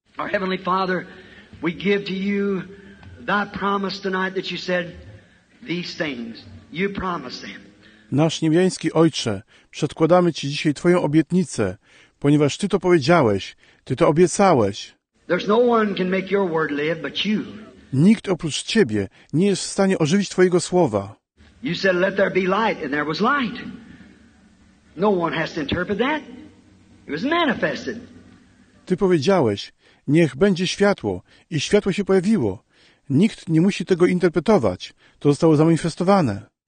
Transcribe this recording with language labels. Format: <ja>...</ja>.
<en>Our Heavenly Father, we give to you that promise tonight that you said these things. You promised them.</en> <pl>Nasz niebiański Ojcze, przedkładamy Ci dzisiaj Twoją obietnicę, ponieważ Ty to powiedziałeś, Ty to obiecałeś.</pl> <en>There's no one can make your word live but you.</en> <pl>Nikt oprócz Ciebie nie jest w stanie ożywić Twojego słowa.</pl> <en>You said let there be light and there was light. No one has to interpret that. It was manifested.</en> <pl>Ty powiedziałeś, niech będzie światło i światło się pojawiło. Nikt nie musi tego interpretować. To zostało zamanifestowane.</pl>